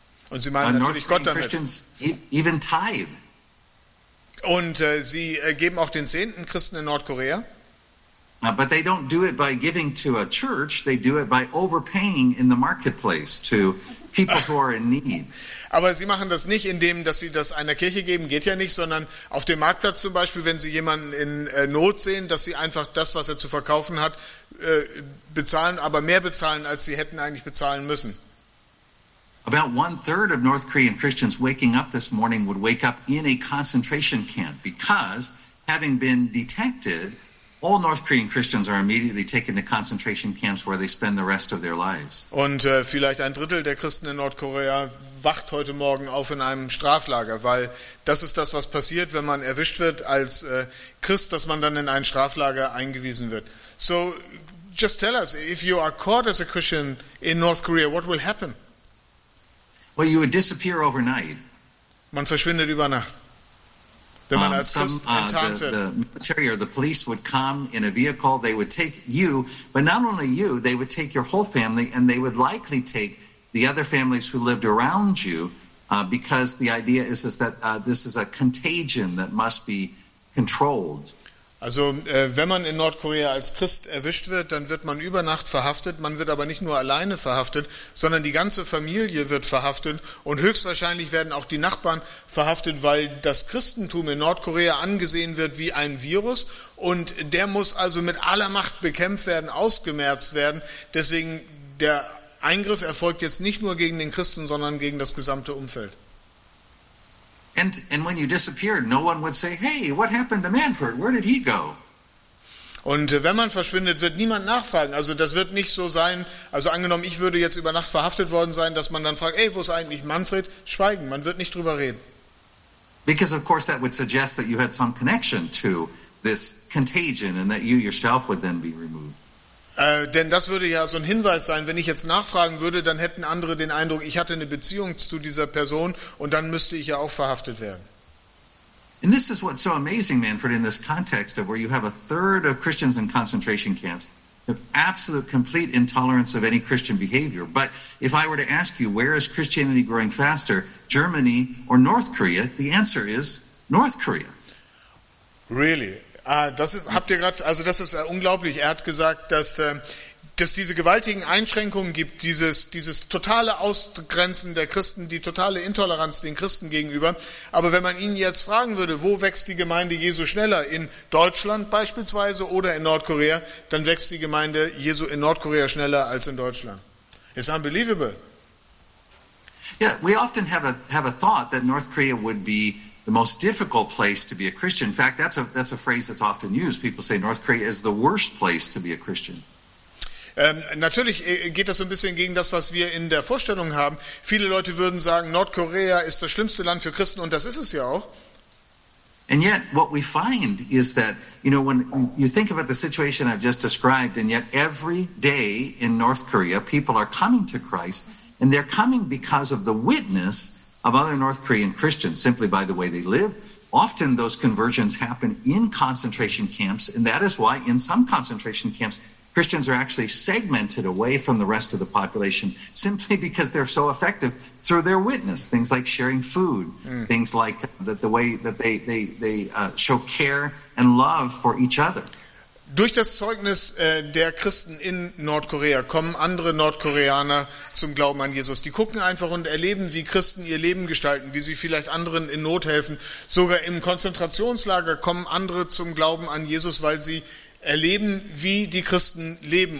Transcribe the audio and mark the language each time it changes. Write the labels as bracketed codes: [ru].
[de] Und sie meinen natürlich Gott damit. [en] Christians even tithe. [de] Und sie geben auch den Zehnten Christen in Nordkorea. [en] But they don't do it by giving to a church, they do it by overpaying in the marketplace to people who are in need. [de] Aber sie machen das nicht, indem dass sie das einer Kirche geben, geht ja nicht, sondern auf dem Marktplatz zum Beispiel, wenn sie jemanden in Not sehen, dass sie einfach das, was er zu verkaufen hat, bezahlen, aber mehr bezahlen, als sie hätten eigentlich bezahlen müssen. [en] About one third of North Korean Christians waking up this morning would wake up in a concentration camp because having been detected, all North Korean Christians are immediately taken to concentration camps where they spend the rest of their lives. [de] Und vielleicht ein Drittel der Christen in Nordkorea wacht heute Morgen auf in einem Straflager, weil das ist das, was passiert, wenn man erwischt wird als Christ, dass man dann in ein Straflager eingewiesen wird. [en] So, just tell us, if you are caught as a Christian in North Korea, what will happen? Well, you would disappear overnight. [de] Man verschwindet über Nacht. [en] The military or the police would come in a vehicle. They would take you, but not only you, they would take your whole family, and they would likely take the other families who lived around you, because the idea is that this is a contagion that must be controlled. [de] Also, wenn man in Nordkorea als Christ erwischt wird, dann wird man über Nacht verhaftet. Man wird aber nicht nur alleine verhaftet, sondern die ganze Familie wird verhaftet. Und höchstwahrscheinlich werden auch die Nachbarn verhaftet, weil das Christentum in Nordkorea angesehen wird wie ein Virus. Und der muss also mit aller Macht bekämpft werden, ausgemerzt werden. Deswegen, der Eingriff erfolgt jetzt nicht nur gegen den Christen, sondern gegen das gesamte Umfeld. [en] And when you disappeared, no one would say, hey, what happened to Manfred? Where did he go? [de] Und wenn man verschwindet, wird niemand nachfragen. Also das wird nicht so sein. Also angenommen, ich würde jetzt über Nacht verhaftet worden sein, dass man dann fragt, hey, wo ist eigentlich Manfred? Schweigen, man wird nicht drüber reden. [en] Because of course that would suggest that you had some connection to this contagion and that you yourself would then be removed. [de] Denn das würde ja so ein Hinweis sein, wenn ich jetzt nachfragen würde, dann hätten andere den Eindruck, ich hatte eine Beziehung zu dieser Person und dann müsste ich ja auch verhaftet werden. [en] And this is what's so amazing, Manfred, in this context of where you have a third of Christians in concentration camps, of absolute complete intolerance of any Christian behavior. But if I were to ask you, where is Christianity growing faster, Germany or North Korea, the answer is North Korea. Really? [de] Das ist unglaublich. Er hat gesagt, dass dass diese gewaltigen Einschränkungen gibt, dieses totale Ausgrenzen der Christen, die totale Intoleranz den Christen gegenüber. Aber wenn man ihn jetzt fragen würde, wo wächst die Gemeinde Jesu schneller, in Deutschland beispielsweise oder in Nordkorea, dann wächst die Gemeinde Jesu in Nordkorea schneller als in Deutschland. [en] It's unbelievable. Yeah, we often have a thought that North Korea would be the most difficult place to be a Christian. In fact, that's a phrase that's often used. People say North Korea is the worst place to be a Christian. [de] Natürlich geht das so ein bisschen gegen das, was wir in der Vorstellung haben. Viele Leute würden sagen, Nordkorea ist das schlimmste Land für Christen, und das ist es ja auch. [en] And yet, what we find is that, you know, when you think about the situation I've just described, and yet every day in North Korea, people are coming to Christ, and they're coming because of the witness of other North Korean Christians, simply by the way they live. Often those conversions happen in concentration camps, and that is why in some concentration camps, Christians are actually segmented away from the rest of the population simply because they're so effective through their witness. Things like sharing food, things like the way that they show care and love for each other. [de] Durch das Zeugnis der Christen in Nordkorea kommen andere Nordkoreaner zum Glauben an Jesus. Die gucken einfach und erleben, wie Christen ihr Leben gestalten, wie sie vielleicht anderen in Not helfen. Sogar im Konzentrationslager kommen andere zum Glauben an Jesus, weil sie erleben, wie die Christen leben.